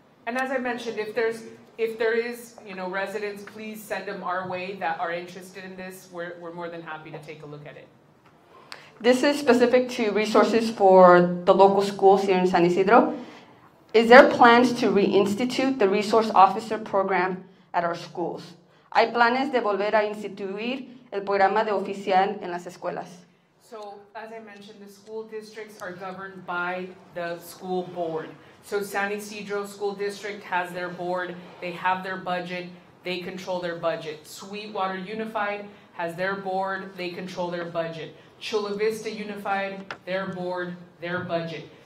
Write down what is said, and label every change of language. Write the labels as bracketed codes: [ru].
[en] And as I mentioned, if there is, you know, residents, please send them our way that are interested in this. We're more than happy to take a look at it. This is specific to resources for the local schools here in San Ysidro. Is there plans to reinstitute the resource officer program at our schools? [es] ¿Hay planes de volver a instituir el programa de oficial en las escuelas? [en] So, as I mentioned, the school districts are governed by the school board. So San Ysidro School District has their board, they have their budget, they control their budget. Sweetwater Unified has their board, they control their budget. Chula Vista Unified, their board, their budget.